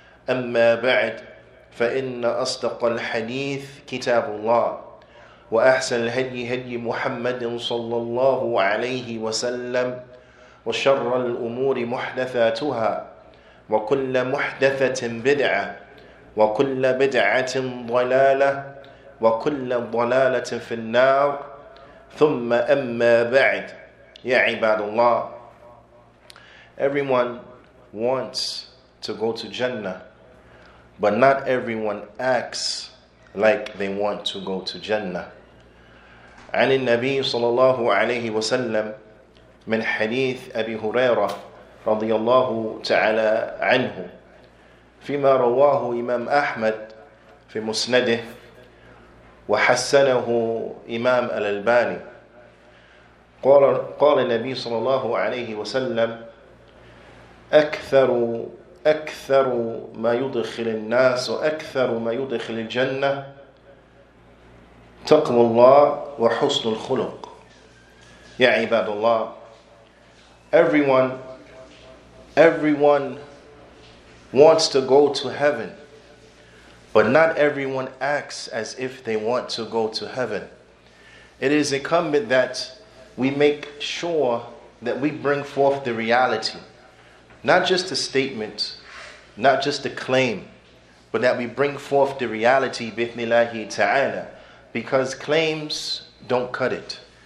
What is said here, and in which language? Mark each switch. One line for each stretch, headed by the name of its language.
Arabic: أما بعد فإن أصدق الحديث كتاب الله وأحسن الهدي هدي محمد صلى الله عليه وسلم وشر الأمور محدثاتها وكل محدثة بدعة وكل بدعة ضلالة وكل ضلالة في النار ثم أما بعد يا عباد الله.
English: Everyone wants to go to Jannah, but not everyone acts like they want to go to Jannah.
Arabic: عن النبي صلى الله عليه وسلم من حديث أبي هريرة رضي الله تعالى عنه فيما رواه إمام أحمد في مسنده وحسنه إمام الألباني قال النبي صلى الله عليه وسلم أكثر ما يدخل الناس وأكثر ما يدخل الجنة تقوى الله وحسن الخلق. يا عباد الله,
English: everyone wants to go to heaven, but not everyone acts as if they want to go to heaven. It is incumbent that we make sure that we bring forth the reality, not just a statement, not just a claim, but that we bring forth the reality, bithnillahi ta'ala, because claims don't cut it.